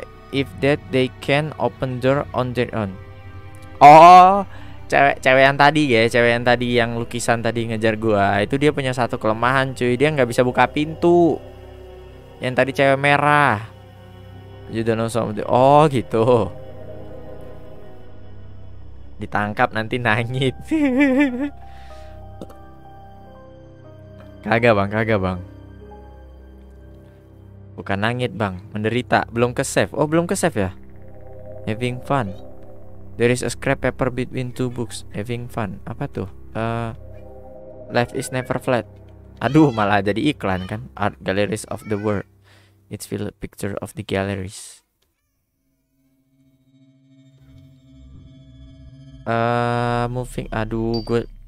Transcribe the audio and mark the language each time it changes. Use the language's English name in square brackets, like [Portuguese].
[English] If they can open door on their own. [Indonesian] Oh, cewek yang tadi ya, cewek yang tadi yang lukisan tadi ngejar gua, itu dia punya satu kelemahan, cuy. Dia nggak bisa buka pintu. Yang tadi cewek merah. [English] You don't know something. [Indonesian] Oh, gitu. Ditangkap nanti nangis. Kagak, Bang. Bukan nangit, Bang. Menderita. Belum ke save. Oh, belum ke save ya? [English] Having fun. There is a scrap paper between two books. Having fun. [Indonesian] Apa tuh? [English] Life is never flat. [Indonesian] Aduh, malah jadi iklan kan? [English] Art galleries of the world. It's filled picture of the galleries. [Indonesian] Moving. Aduh, gue...